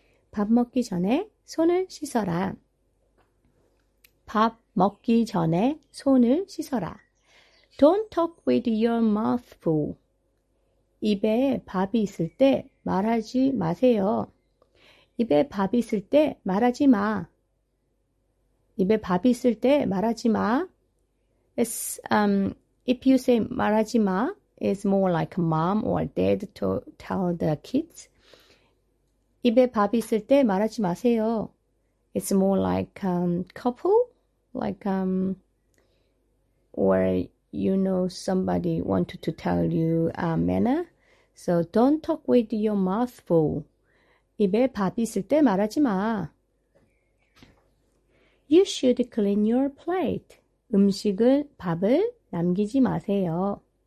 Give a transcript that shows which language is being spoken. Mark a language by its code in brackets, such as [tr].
[ko] 밥 먹기 전에 손을 씻어라. 밥 먹기 전에 손을 씻어라. [en] Don't talk with your mouth full. [ko] 입에 밥이 있을 때 말하지 마세요. 입에 밥이 있을 때 말하지 마. 입에 밥이 있을 때 말하지 마. [en] It's, If you say [ko] 말하지 마, [en] it's more like mom or dad to tell the kids. [ko] 입에 밥 있을 때 말하지 마세요. [en] It's more like couple, like or you know somebody wanted to tell you a manner. So don't talk with your mouth full. [ko] 입에 밥 있을 때 말하지 마. [en] You should clean your plate. [ko] 음식을 밥을 남기지 마세요.